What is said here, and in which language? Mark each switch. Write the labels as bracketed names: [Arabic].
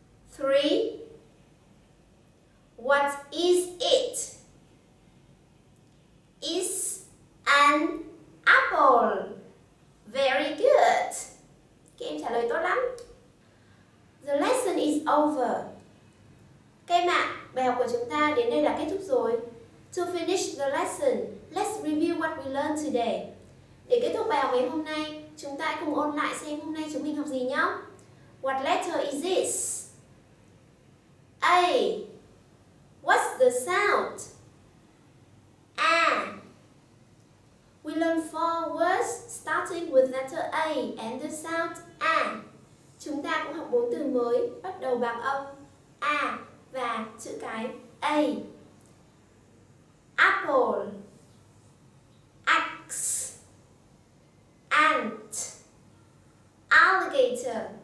[English] Three, what is it? Is an apple. Very good. [Vietnamese] Các em trả lời tốt lắm. [English] The lesson is over. [Vietnamese] Các em ạ, bài học của chúng ta đến đây là kết thúc rồi. [English] To finish the lesson, let's review what we learned today. [Vietnamese] Để kết thúc bài học ngày hôm nay, chúng ta hãy cùng ôn lại xem hôm nay chúng mình học gì nhé. [English] What letter is this? A. What's the sound? A. We learned four words starting with letter A and the sound A. [Vietnamese] Chúng ta cũng học bốn từ mới bắt đầu bằng âm A và chữ cái A. [English] Apple, axe, ant, alligator.